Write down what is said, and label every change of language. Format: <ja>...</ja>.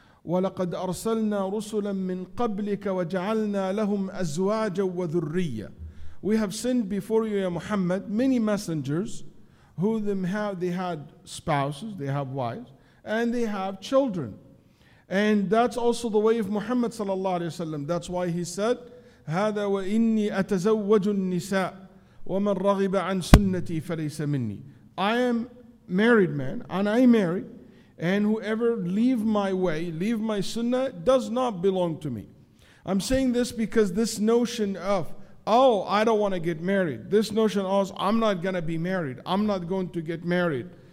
<ar>وَلَقَدْ أَرْسَلْنَا رُسُلًا مِّن قَبْلِكَ وَجَعَلْنَا لَهُمْ أَزْوَاجًا وَذُرِّيَّةً.</ar> <en>We have sent before you, Ya Muhammad, many messengers who they had spouses, they have wives, and they have children. And that's also the way of Muhammad sallallahu alayhi wa sallam. That's why he said,</en> <ar>هَذَا وَإِنِّي أَتَزَوَّجُ النِّسَاءُ وَمَنْ رَغِبَ عَنْ سُنَّتِي فَلَيْسَ مِنِّي.</ar> <en>I am married man, and I marry. And whoever leave my way, leave my sunnah, does not belong to me. I'm saying this because this notion of, oh, I don't want to get married. This notion of, I'm not going to be married. I'm not going to get married.</en>